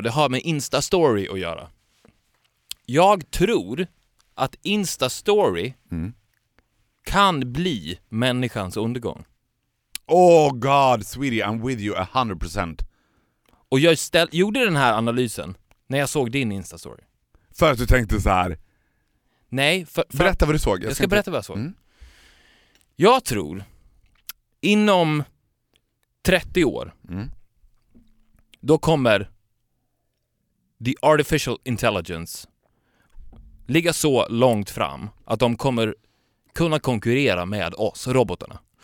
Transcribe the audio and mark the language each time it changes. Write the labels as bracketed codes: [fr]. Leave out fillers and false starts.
[sv] Det har med Insta-story att göra. Jag tror att Insta-story kan bli människans undergång. [en] Oh god, sweetie, I'm with you 100%. [sv] Och jag gjorde den här analysen när jag såg din Insta-story. För att du tänkte så här. Nej, för berätta vad du såg. Jag ska inte... berätta vad jag såg. Mm. Jag tror inom 30 år då kommer [en] the artificial intelligence [sv] ligga så långt fram att de kommer kunna konkurrera med oss, robotarna.